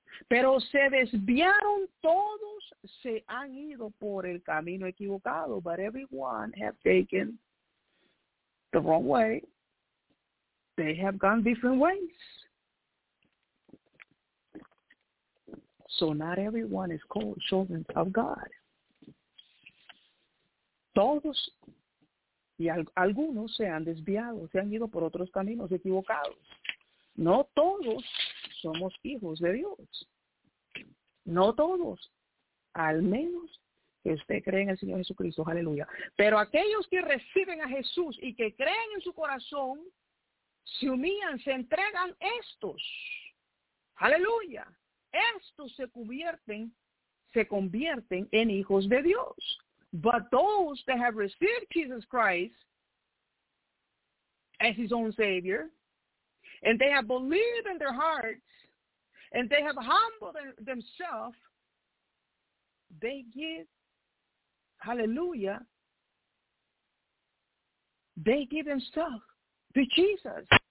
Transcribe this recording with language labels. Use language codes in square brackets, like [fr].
[es] Pero se desviaron todos, se han ido por el camino equivocado, [en] but everyone have taken the wrong way. They have gone different ways. So not everyone is called children of God. [es] Todos y algunos se han desviado, se han ido por otros caminos equivocados. No todos somos hijos de Dios. No todos, al menos que usted cree en el Señor Jesucristo, aleluya. Pero aquellos que reciben a Jesús y que creen en su corazón, se humillan, se entregan estos, aleluya. Estos se convierten en hijos de Dios. [en] But those that have received Jesus Christ as his own Savior, and they have believed in their hearts, and they have humbled themselves, they give, hallelujah, they give themselves to Jesus.